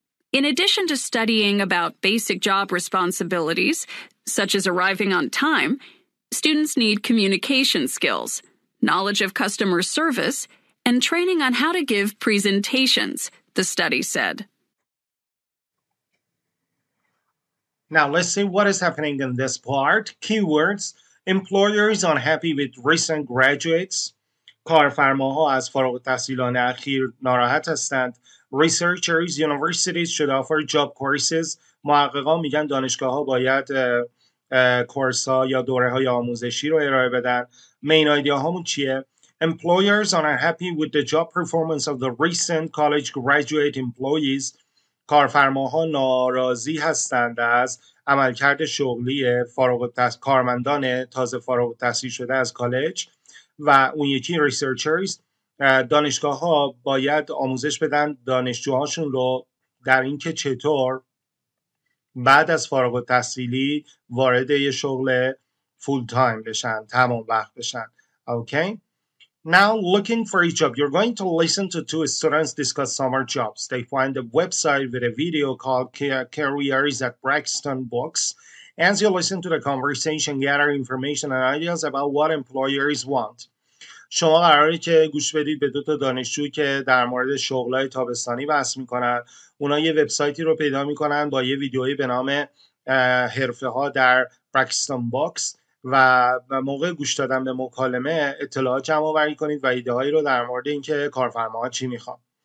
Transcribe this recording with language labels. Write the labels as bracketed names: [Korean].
[English] In addition to studying about basic job responsibilities, such as arriving on time, students need communication skills, knowledge of customer service, and training on how to give presentations, the study said. Now let's see what is happening in this part. Keywords, employers unhappy with recent graduates. [Persian] کارفرماها از فارغ التحصیلان اخیر ناراحت هستند. [English] Researchers, universities should offer job courses. [Persian] محققا میگن دانشگاه ها باید کورس ها یا دوره های آموزشی رو ارائه بدن. [English] Main idea [Persian] همون چیه؟ [English] Employers are unhappy with the job performance of the recent college graduate employees. [Persian] کارفرماها ناراضی هستند از عملکرد شغلی کارمندان تازه فارغ التحصیل شده از کالج. و اون یکی ریسرچرز، دانشگاه ها باید آموزش بدن دانشجوهاشون رو در اینکه چطور بعد از فارغ التحصیلی وارد یه شغل فول تایم بشن، تمام وقت بشن. [English] Okay. Now looking for a job. You're going to listen to two students discuss summer jobs. They find a website with a video called Careers at Braxton Books. As you listen to the conversation, gather information and ideas about what employers want. [Persian] شما قراره که گوش بدید به دو تا دانشجو که در مورد شغلای تابستانی بحث میکنن. اونا یه وبسایتی رو پیدا میکنن با یه ویدیوی به نام حرفه ها در براکستون باکس و موقع گوش دادن به مکالمه اطلاعات جمع آوری کنید و ایده هایی رو در مورد اینکه کارفرما چی میخوان.